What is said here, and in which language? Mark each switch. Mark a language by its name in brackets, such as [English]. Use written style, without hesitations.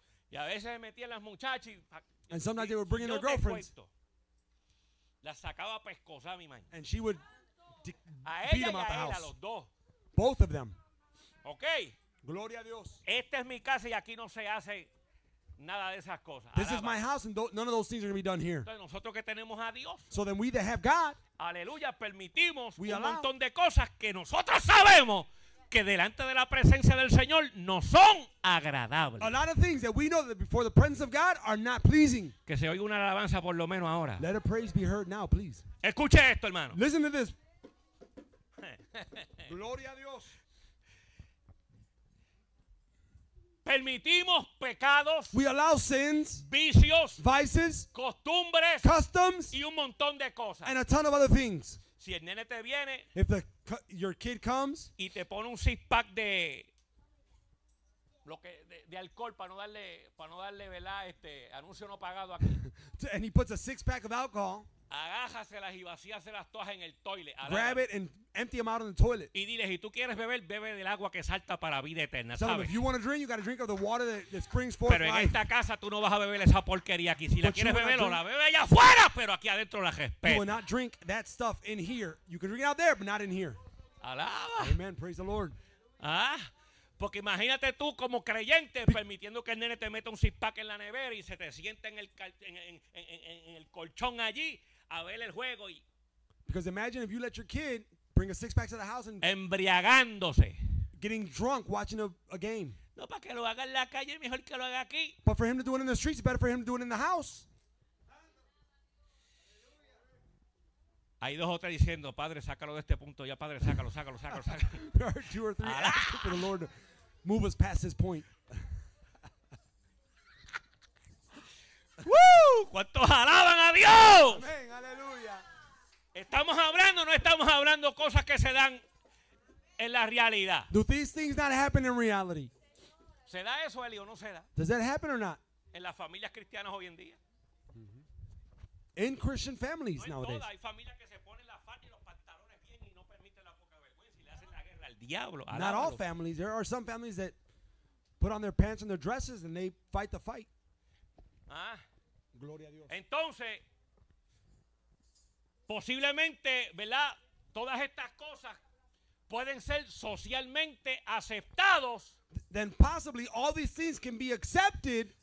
[Spanish] Y a veces metían las muchachas. [English] And sometimes they would bring in their girlfriends. [Spanish] Las sacaba pescosa mi mamá. [English] And she would beat them out the house. [Spanish] A los dos. [English] Both of them. Okay. [Spanish] Gloria a Dios. Esta es mi casa y aquí no se hace nada de esas cosas. [English] This is my house and none of those things are going to be done here. [Spanish] Entonces nosotros que tenemos a Dios. [English] So then we that have God. [Spanish] Aleluya, permitimos un montón de cosas que nosotros sabemos que delante de la presencia del Señor no son agradables. [English] A lot of things that we know that before the presence of God are not pleasing. [Spanish] Que se oiga una alabanza por lo menos ahora. [English] Let a praise be heard now, please. [Spanish] Escuche esto, hermano. [English] Listen to this. [Spanish] Gloria a Dios. Permitimos pecados, [English] we allow sins, [Spanish] vicios, [English] vices, [Spanish] costumbres, [English] customs, [Spanish] y un montón de cosas, [English] and a ton of other things. [Spanish] Si el nene te viene, [English] if the, your kid comes, [Spanish] y te pone un six pack de lo que de alcohol para no darle ¿verdad? Este anuncio no pagado aquí. [English] And he puts a six pack of alcohol. [Spanish] Agájaselas y vacíaselas todas en el toilet. [English] Grab it and empty them out on the toilet. [Spanish] Y dile, si tú quieres beber, bebe del agua que salta para vida eterna. [English] So if you want to drink, you got to drink of the water that springs forth. [Spanish] Pero en esta casa tú no vas a beber esa porquería aquí. Si la quieres beber, la bebe allá afuera, pero aquí adentro la respeto. [English] You will not drink that stuff in here. You can drink it out there, but not in here. [Spanish] Alaba. [English] Amen. Praise the Lord. [Spanish] Ah, porque imagínate tú como creyente permitiendo que el nene te meta un six pack en la nevera y se te siente en el colchón allí. A ver el juego y [English] because imagine if you let your kid bring a six pack to the house and [Spanish] embriagándose [English] getting drunk watching a game. [Spanish] No, para que lo haga en la calle, mejor que lo haga aquí. [English] But for him to do it in the streets, it's better for him to do it in the house. [Spanish] Hay dos o tres diciendo, padre, sácalo de este punto ya, padre, sácalo. [English] There are two or three asking for the Lord to move us past this point. [Spanish] ¡Woo! ¿Cuántos alaban a Dios? Amén, aleluya. ¿Estamos hablando o no estamos hablando cosas que se dan en la realidad? [English] Do these things not happen in reality? [Spanish] ¿Se da eso, Eli, o no se da? [English] Does that happen or not? [Spanish] En las familias cristianas hoy en día. [English] In Christian families nowadays. [Spanish] No hay familias que se ponen la falda y los pantalones bien y no permiten la poca vergüenza y le hacen la guerra al diablo. [English] Not all families. There are some families that put on their pants and their dresses and they fight the fight. [Spanish] Ah, gloria a Dios. Entonces, posiblemente, ¿verdad? Todas estas cosas pueden ser socialmente aceptados. [English] Then possibly all these things can be accepted.